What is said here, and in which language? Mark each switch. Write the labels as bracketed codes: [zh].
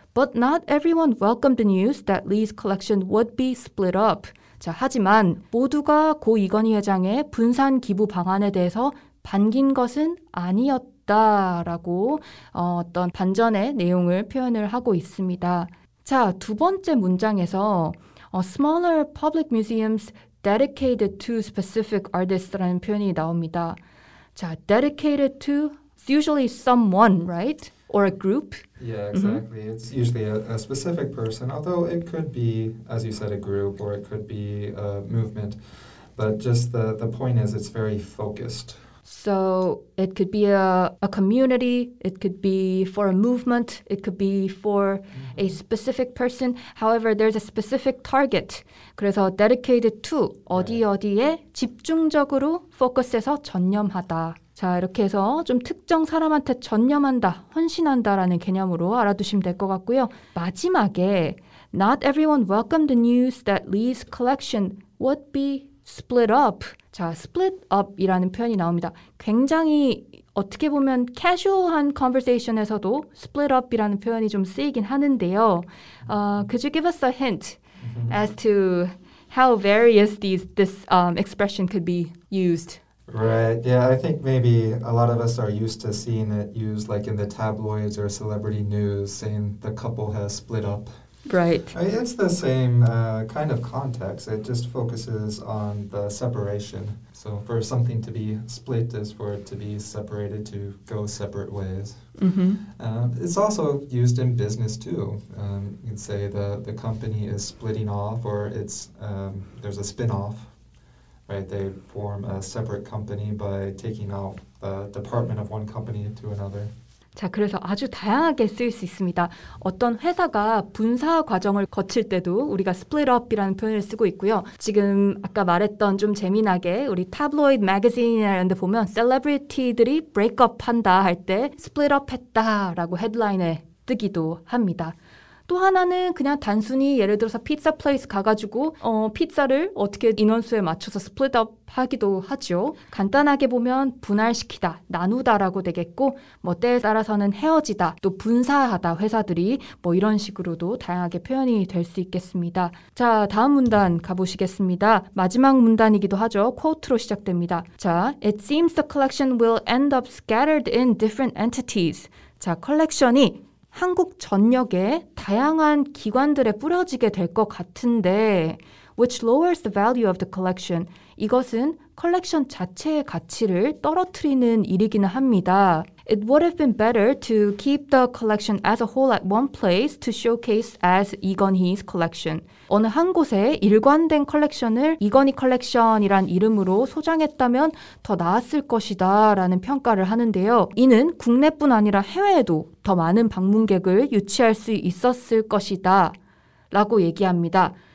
[en] But not everyone welcomed the news that Lee's collection would be split up. [ko] 자, 하지만 모두가 고 이건희 회장의 분산 기부 방안에 대해서 반긴 것은 아니었다라고 어떤 반전의 내용을 표현을 하고 있습니다. 자, 두 번째 문장에서 [en] smaller public museums dedicated to specific artists [ko] 라는 표현이 나옵니다. [en] 자, dedicated to is usually someone, right? Or a group? Yeah, exactly. Mm-hmm. It's usually a specific person, although it could be, as you said, a group, or it could be a movement. But just the point is it's very focused. So it could be a community, it could be for a movement, it could be for mm-hmm. a specific person. However, there's a specific target. [ko] 그래서 [en] dedicated to, 어디 right. [ko] 어디에 집중적으로 focus해서 전념하다. 자, 이렇게 해서 좀 특정 사람한테 전념한다, 헌신한다라는 개념으로 알아두시면 될 것 같고요. 마지막에 [en] Not everyone welcomed the news that Lee's collection would be split up. [ko] 자, split up이라는 표현이 나옵니다. 굉장히 어떻게 보면 casual한 conversation에서도 split up이라는 표현이 좀 쓰이긴 하는데요. [en] Could you give us a hint as to how various this expression could be used? Right. Yeah, I think maybe a lot of us are used to seeing it used like in the tabloids or celebrity news saying the couple has split up. Right. I mean, it's the same kind of context. It just focuses on the separation. So for something to be split is for it to be separated, to go separate ways. Mm-hmm. It's also used in business, too. You can say the company is splitting off or it's there's a spin-off. Right, they form a separate company by taking out the department of one company to another. [ko] 자, 그래서 아주 다양하게 쓰일 수 있습니다. 어떤 회사가 분사 과정을 거칠 때도 우리가 split up이라는 표현을 쓰고 있고요. 지금 아까 말했던 좀 재미나게 우리 tabloid magazine 이런 데 보면 celebrity들이 break up 한다 할 때 split up 했다라고 헤드라인에 뜨기도 합니다. 또 하나는 그냥 단순히 예를 들어서 피자 플레이스 가가지고 피자를 어떻게 인원수에 맞춰서 스플릿 업 하기도 하죠. 간단하게 보면 분할시키다, 나누다라고 되겠고 뭐 때에 따라서는 헤어지다, 또 분사하다 회사들이 뭐 이런 식으로도 다양하게 표현이 될 수 있겠습니다. 자, 다음 문단 가보시겠습니다. 마지막 문단이기도 하죠. 코트로 시작됩니다. [en] 자, It seems the collection will end up scattered in different entities. [ko] 자, 컬렉션이 한국 전역에 다양한 기관들에 뿌려지게 될 것 같은데 [en] which lowers the value of the collection. [ko] 이것은 컬렉션 자체의 가치를 떨어뜨리는 일이기는 합니다. [en] It would have been better to keep the collection as a whole at one place to showcase as 이건희's collection. [ko] 어느 한 곳에 일관된 컬렉션을 이건희 컬렉션이란 이름으로 소장했다면 더 나았을 것이다 라는 평가를 하는데요. 이는 국내뿐 아니라 해외에도 더 많은 방문객을 유치할 수 있었을 것이다 라고 얘기합니다.